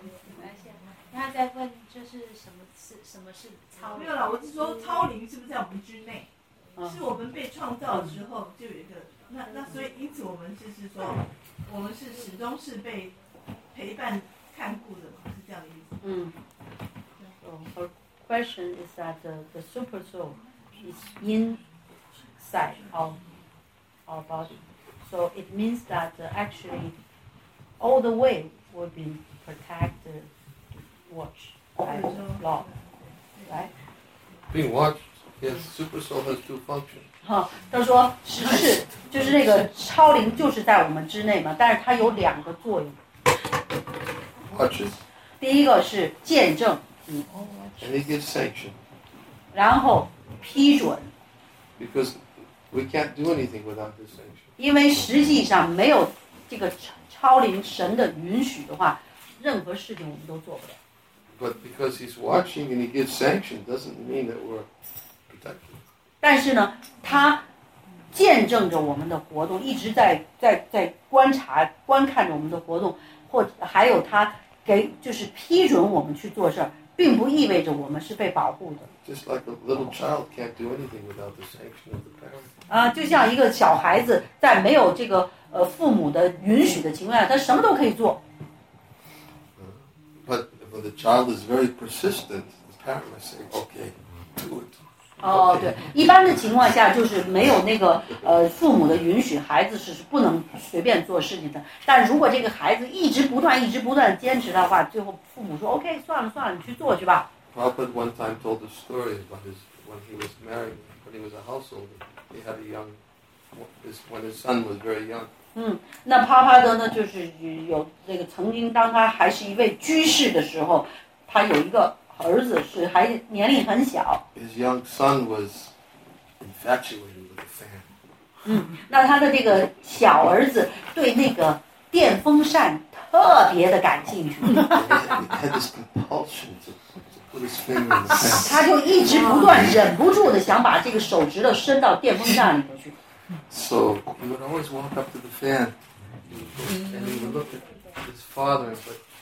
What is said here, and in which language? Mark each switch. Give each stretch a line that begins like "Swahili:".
Chinese: 没关系，他在问就是什么是什么是超灵。没有了，我是说超灵是不是在我们之内？是我们被创造之后就有一个，那所以因此我们就是说，我们是始终是被陪伴看顾的嘛，是这样的意思。嗯。
English: The question is that the super soul is inside of our body. So it means that actually all the way will be protected, watched, loved, right? Being watched, yes, super soul has two functions.
Chinese: 他说是就是那个超灵就是在我们之内嘛，但是它有两个作用。
English: Watches.
Chinese: 第一个是见证。
English: And he gives sanction.
Chinese: 然后批准。
English: Because we can't do anything without this sanction.
Chinese: 因为实际上没有这个超灵神的允许的话，任何事情我们都做不了。
English: But because he's watching and he gives sanction doesn't mean that we're protected.
Chinese: 但是呢，他见证着我们的活动，一直在观察、观看着我们的活动，或还有他给就是批准我们去做事并不意味着我们是被保护的。
English: Just like a little child can't do anything without the sanction of the parent.
Chinese: 就像一个小孩子在没有这个父母的允许的情况下，他什么都可以做。
English: But when the child is very persistent, the parent may say, "Okay, do it."
Chinese: 对，一般的情况下就是没有那个父母的允许，孩子是不能随便做事情的。但如果这个孩子一直不断坚持的话，最后父母说 OK， 算了算了，你去做去吧。
English: Prabhupada one time told a story about his when he was married, when he was a householder, he had a young, when his son was very young.
Chinese: 那帕帕德呢，就是有那个曾经当他还是一位居士的时候，他有一个。儿子是还年龄很小。
English: His young son was infatuated with the fan.
Chinese: 那他的这个小儿子对那个电风扇特别的感兴趣。
English: He had this compulsion to put his finger in the fan.
Chinese: 他就一直不断忍不住的想把这个手指头伸到电风扇里头去。
English: So he would always walk up to the fan, and he would look at his father, but.